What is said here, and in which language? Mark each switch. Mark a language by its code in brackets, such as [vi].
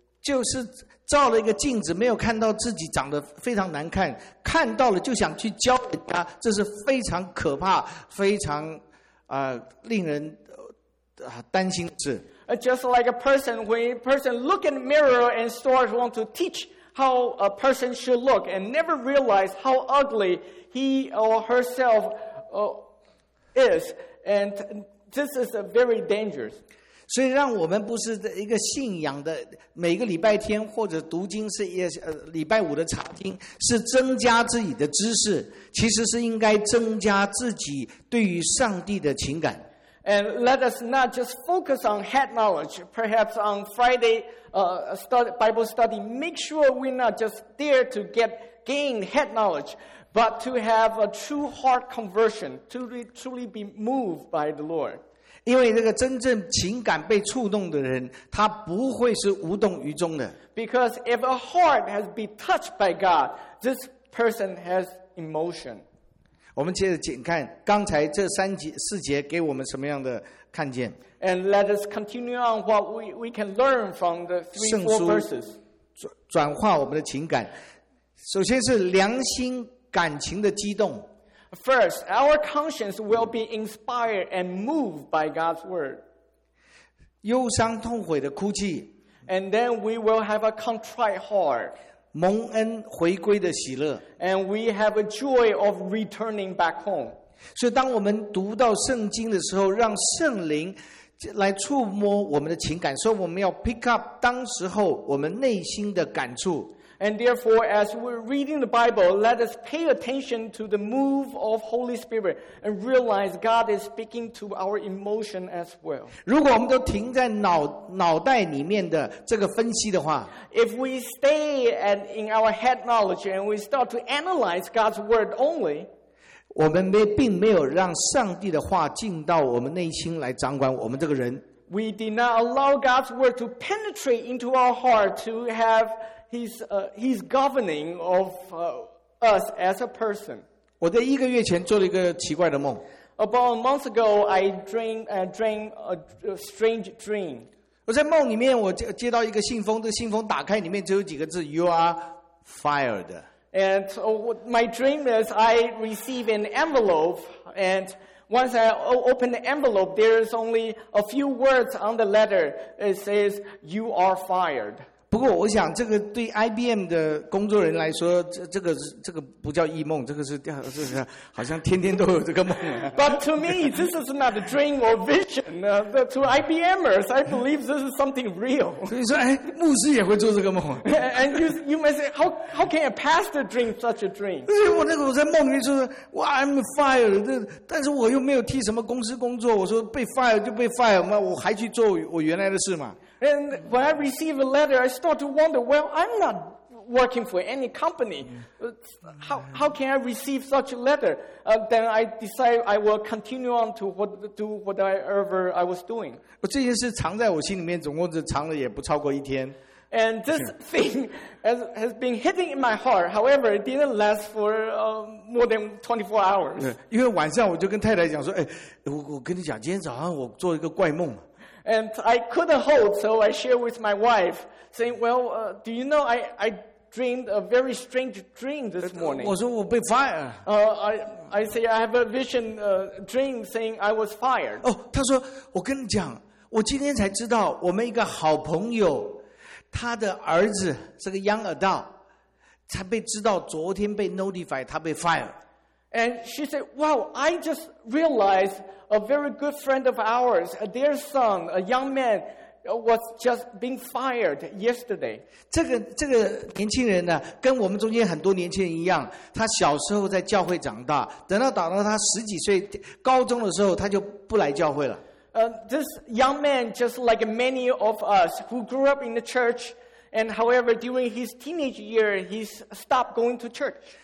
[zh] 就是照了一个镜子，没有看到自己长得非常难看，看到了就想去教人家，这是非常可怕，非常令人担心的事。 [en] Just like a person, when a person look in the mirror and starts want to teach how a person should look and never realize how ugly he or herself is, and this is very dangerous. [zh] 所以让我们不是一个信仰的每个礼拜天或者读经是礼拜五的查经，是增加自己的知识，其实是应该增加自己对于上帝的情感。 [en] And let us not just focus on head knowledge, perhaps on Friday Bible study, make sure we're not just there to gain head knowledge, but to have a true heart conversion, to truly be moved by the Lord. [zh] 因为这个真正情感被触动的人，他不会是无动于衷的。 [en] Because if a heart has been touched by God, this person has emotion. [zh] 我们接着紧看刚才这三节四节给我们什么样的看见。 [en] And let us continue on what we can learn from the three, four verses. [zh] 转化我们的情感。首先是良心感情的激动。 [en] First, our conscience will be inspired and moved by God's word. [zh] 忧伤痛悔的哭泣。 [en] And then we will have a contrite heart. [zh] 蒙恩回归的喜乐。 [en] And we have a joy of returning back home. [zh] 所以当我们读到圣经的时候，让圣灵来触摸我们的情感，所以我们要 [en] pick up [zh] 当时候我们内心的感触。 [en] And therefore, as we're reading the Bible, let us pay attention to the move of Holy Spirit and realize God is speaking to our emotion as well. [zh] 如果我们都停在脑袋里面的这个分析的话， [en] If we stay in our head knowledge and we start to analyze God's word only, [zh] 我们并没有让上帝的话进到我们内心来掌管我们这个人。 [en] We did not allow God's word to penetrate into our heart to have He's governing of us as a person. [zh] 我在一个月前做了一个奇怪的梦。 [en] About a month ago, I dreamed a strange dream. [zh] 我在梦里面，我接到一个信封，这个信封打开，里面只有几个字 ： [en] You are fired. And my dream is I receive an envelope, and once I open the envelope, there is only a few words on the letter. It says, "You are fired." [zh] 不过我想这个对 IBM 的工作人来说， 这个不叫异梦，这个 是好像天天都有这个梦。 [en] But to me, this is not a dream or vision. To IBMers, I believe this is something real. [zh] 所以说，哎，牧师也会做这个梦。 [en] And you may say, how can a pastor dream such a dream? [zh] 所以我那个我在梦里说，哇 ， [en] I'm fired. [zh] 但是我又没有替什么公司工作，我说被 fired 就被 fired 嘛，我还去做我原来的事嘛。 [en] And when I receive a letter, I start to wonder, well, I'm not working for any company. How can I receive such a letter? Then I decide I will continue on to do whatever I was doing. [zh] 这件事藏在我心里面，总共就藏了也不超过一天。 [en] And this thing has been hitting in my heart. However, it didn't last for more than 24 hours. [zh] 因为晚上我就跟太太讲说，哎，我跟你讲，今天早上我做一个怪梦。 [en] And I couldn't hold, so I shared with my wife, saying, well, do you know, I dreamed a very strange dream this morning. [zh] 我说我被 fired. [en] I say, I have a vision dream saying I was fired. [zh] 他说我跟你讲，我今天才知道我们一个好朋友，他的儿子是个 [en] young adult, [zh] 才被知道昨天被 notified 他被 fired. [en] And she said, wow, I just realized a very good friend of ours, their son, a young man, was just being fired yesterday. [zh] 这个年轻人呢，跟我们中间很多年轻人一样，他小时候在教会长大，等到长到他十几岁，高中的时候，他就不来教会了。 [en] This young man, just like many of us who grew up in the church, and however, during his teenage year, he stopped going to church.